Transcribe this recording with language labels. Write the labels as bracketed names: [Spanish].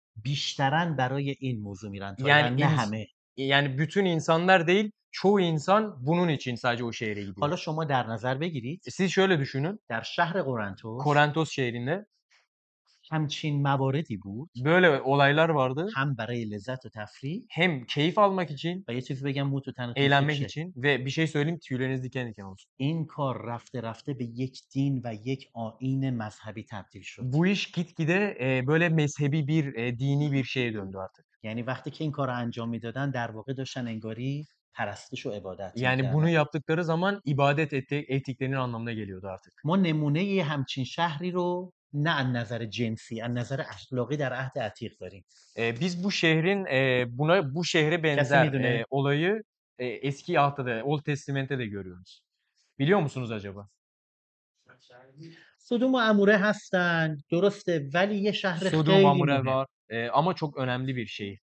[Persian] بیشترن برای این موضوع میرن [Turkish] yani [Persian] نه همه [Turkish] یعنی bütün insanlar değil çoğu insan bunun için sadece o şehre gidiyor [Persian] حالا شما در نظر بگیرید [Turkish] siz şöyle düşünün [Persian] در شهر قرنتوس [Turkish] قرنتوس şehrinde [Persian] همچین مواردی بود [Turkish] böyle olaylar vardı [Persian] هم برای لذت و تفریح [Turkish] hem keyif almak için [Persian] و یه چیز بگم موت و تن [Turkish] eğlenmek için ve bir şey söyleyeyim tüyleriniz diken diken olsun [Persian] این کار رفته رفته به یک دین و یک آیین مذهبی تبدیل شد [Turkish] bu iş gitgide böyle mezhebi bir dini bir şeye döndü artık [Persian] یعنی وقتی که این کار را انجام میدادن در واقع داشتن انگاری پرستش و عبادت [Turkish] یعنی bunu yaptıkları zaman ibadet ettiklerinin anlamına geliyordu artık [Persian] ما نمونه ی همچین شهری رو نه از نظر جنسی از نظر اخلاقی در عهد عتیق داریم [Turkish] biz bu şehrin buna bu şehre benzer olayı eski ahta da Old Testament'te de görüyoruz. Biliyor musunuz acaba? Sodom ve Amure [Persian] hastan, درسته ولی یه شهر خیلی [Turkish] Sodom ve Amure var ama çok önemli bir şey.